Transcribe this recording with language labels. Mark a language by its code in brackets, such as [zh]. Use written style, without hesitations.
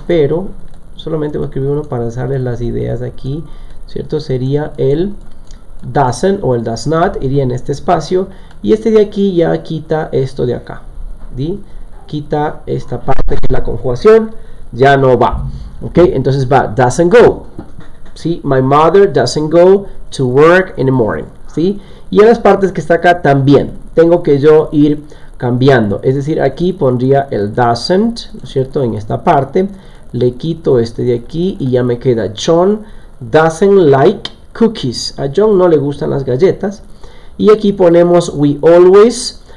[es] Pero solamente voy a escribir uno para dejarles las ideas aquí, ¿cierto? Sería el doesn't o el does not, iría en este espacio. Y este de aquí ya quita esto de acá, ¿sí? Quita esta parte que es la conjugación, ya no va, ¿ok? Entonces va [en] doesn't go, [es] ¿sí? [en] My mother doesn't go to work in the morning, [es] ¿sí? Y en las partes que está acá también tengo que yo ir cambiando. Es decir, aquí pondría el doesn't, ¿no es cierto? En esta parte le quito este de aquí y ya me queda [en] John doesn't like cookies. [es] A John no le gustan las galletas. Y aquí ponemos [en] we always.